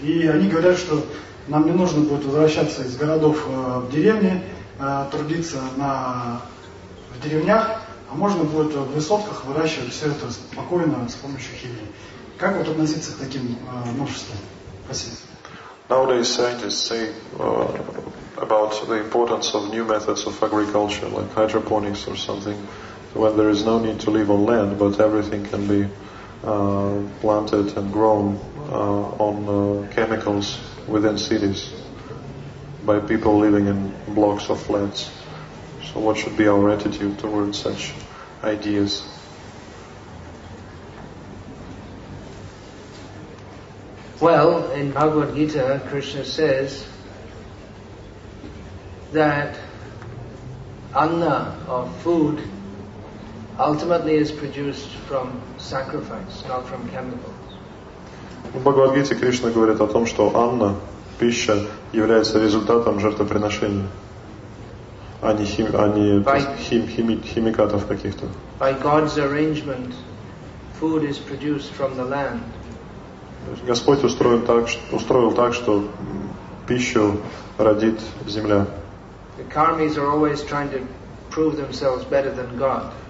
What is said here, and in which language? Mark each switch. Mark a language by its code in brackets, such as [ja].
[ru] И они говорят, что нам не нужно будет возвращаться из городов в деревни, трудиться в деревнях, а можно будет в высотках выращивать все это спокойно с помощью химии. Как вот относиться к таким новшествам? Спасибо. [en] Nowadays scientists say about the importance of new methods of agriculture, like hydroponics or something, when there is no need to live on land, but everything can be planted and grown on chemicals within cities by people living in blocks of flats. So what should be our attitude towards such ideas? Well, in Bhagavad Gita, Krishna says that anna, or food, ultimately is produced from sacrifice, not from chemicals. [ru] В Бхагавад Гите Кришна говорит о том, что анна, пища, является результатом жертвоприношения, а не химикатов каких-то. [en] By God's arrangement, food is produced from the land. [ru] Господь устроил так, что пищу родит земля. [en] The karmis are always trying to prove themselves better than God.